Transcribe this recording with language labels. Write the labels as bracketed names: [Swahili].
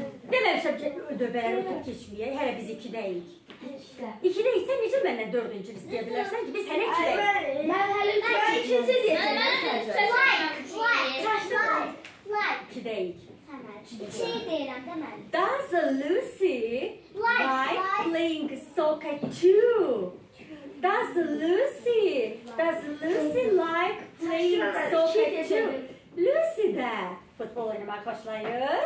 [Azerbaijani] deməmişəm ki, ödəbəri ödəb keçməyək, hələ biz ikidəyik. İkidəyik, sən necə məndən dördüncü istəyə bilərsən ki, biz hələ ikidəyik. Mən hələ ikinci deyəcəm. [English] Like. [Azerbaijani] İkidəyik. Şey deyirəm, deməli. [English] Does Lucy like playing soccer too? Does Lucy like playing soccer too? [Azerbaijani] Lucy də futbol oynamağı xoşlayır.